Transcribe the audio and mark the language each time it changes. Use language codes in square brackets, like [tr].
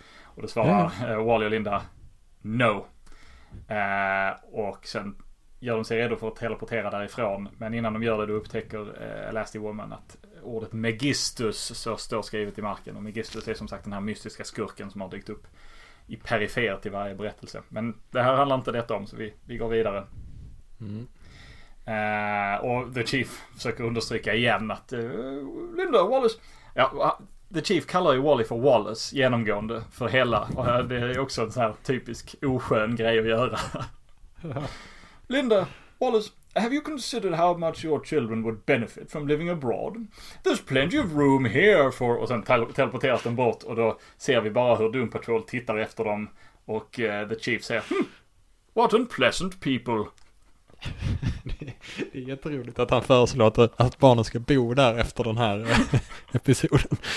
[sv] Och då svarar Wally och Linda, no. Och sen gör de sig redo för att teleportera därifrån, men innan de gör det då upptäcker Elasty Woman att ordet Megistus så står skrivet i marken, och Megistus är som sagt den här mystiska skurken som har dykt upp i perifert i varje berättelse, men det här handlar inte detta om, så vi går vidare. Och The Chief försöker understryka igen att Linda, Wallace, ja, The Chief kallar ju Wally för Wallace genomgående för hela. Och det är också en sån här typisk oskön grej att göra. [en] Linda, Wallace, have you considered how much your children would benefit from living abroad? There's plenty of room here for... [sv] Och sen teleporteras den bort och då ser vi bara hur Doom Patrol tittar efter dem. Och The Chief säger, [en] what unpleasant people. [sv] Det är jätteroligt att han föreslår att barnen ska bo där efter den här episoden.